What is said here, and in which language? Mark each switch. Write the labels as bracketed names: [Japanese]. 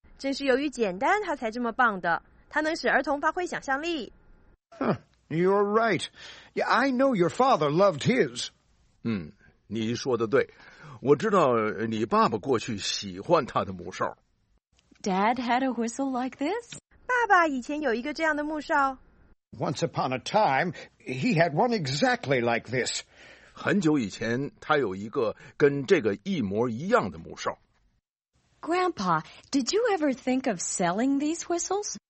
[Chinese] 正是由于简单它才这么棒的，它能使儿童发挥想象力。 [English] Huh, you're right. I know your father loved his. [Chinese] 你说的对。我知道你爸爸过去喜欢他的木哨。 [English] Dad had a whistle like this? [Chinese] 爸爸以前有一个这样的木哨。 [English] Once upon a time, he had one exactly like this. [Chinese] 很久以前，他有一个跟这个一模一样的木哨。 [English] Grandpa, did you ever think of selling these whistles?